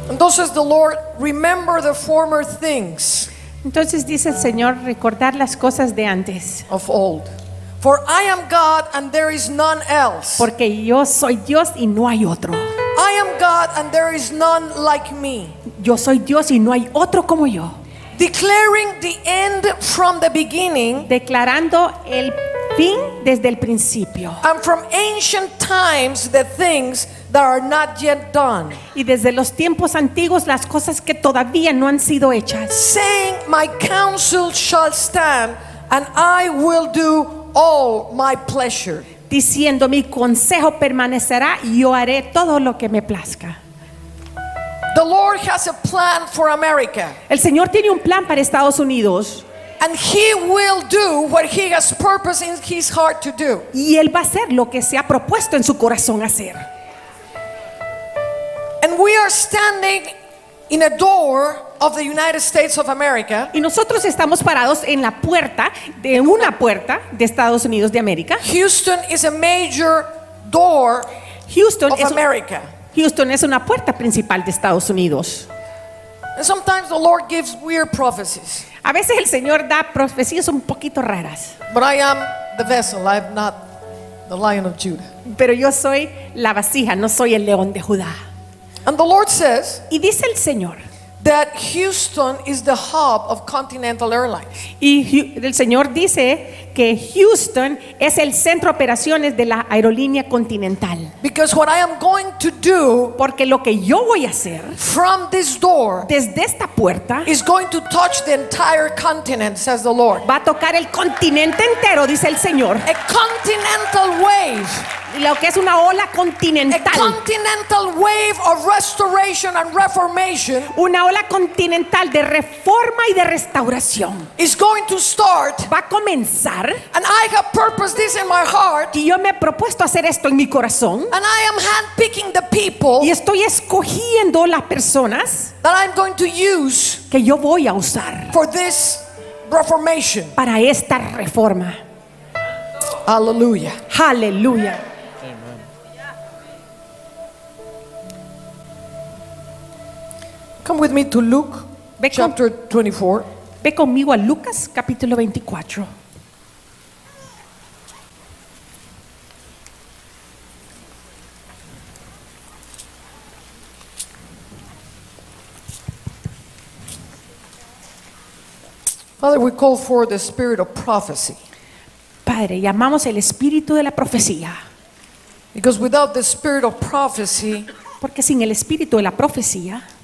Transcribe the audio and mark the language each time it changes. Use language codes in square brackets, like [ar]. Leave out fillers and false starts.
[en] Says the Lord, remember the former things. [es] Entonces dice el Señor, recordar las cosas de antes. [en] Of old. For I am God and there is none else. [es] Porque yo soy Dios y no hay otro. [en] I am God and there is none like me. [es] Yo soy Dios y no hay otro como yo. [en] Declaring the end from the beginning. [es] Declarando el fin desde el principio. [en] And from ancient times the things that are not yet done. [es] Y desde los tiempos antiguos las cosas que todavía no han sido hechas. [en] Saying, my counsel shall stand and I will do all my pleasure. [es] Diciendo, mi consejo permanecerá y yo haré todo lo que me plazca. [en] The Lord has a plan for America. [es] El Señor tiene un plan para Estados Unidos. [en] And he will do what he has purposed in his heart to do. [es] Y él va a hacer lo que se ha propuesto en su corazón hacer. [en] And we are standing in a door of the United States of America. [es] Y nosotros estamos parados en la puerta de una puerta de Estados Unidos de América. [en] Houston is a major door Houston of America. [es] Houston es una puerta principal de Estados Unidos. [en] And sometimes the Lord gives weird prophecies. [es] A veces el Señor da profecías un poquito raras. [en] But I am the vessel, I am not the lion of Judah. [es] Pero yo soy la vasija, no soy el león de Judá. [en] And the Lord says, [es] y dice el Señor, [en] that Houston is the hub of Continental Airlines. [es] Y el Señor dice que Houston es el centro de operaciones de la aerolínea Continental. [en] Because what I am going to do, [es] porque lo que yo voy a hacer, [en] from this door, [es] desde esta puerta, [en] is going to touch the entire continent, says the Lord. [es] Va a tocar el continente entero, dice el Señor. [en] A continental wave. [es] Lo que es una ola continental. [en] A continental wave of restoration and reformation. [es] Una ola continental de reforma y de restauración. [en] Is going to start. [es] Va a comenzar. [en] And I have purposed this in my heart. [es] Y yo me he propuesto hacer esto en mi corazón. [en] And I am handpicking the people. [es] Y estoy escogiendo las personas. [en] That I'm going to use. [es] Que yo voy a usar. [en] For this reformation. [es] Para esta reforma. Aleluya. Aleluya. [en] Come with me to Luke chapter 24. [es] Ve conmigo a Lucas capítulo 24. [en] Father, we call for the spirit of prophecy. [es] Padre, llamamos el espíritu de la profecía. [en] Because without the spirit of prophecy, [es] porque sin el espíritu de la profecía,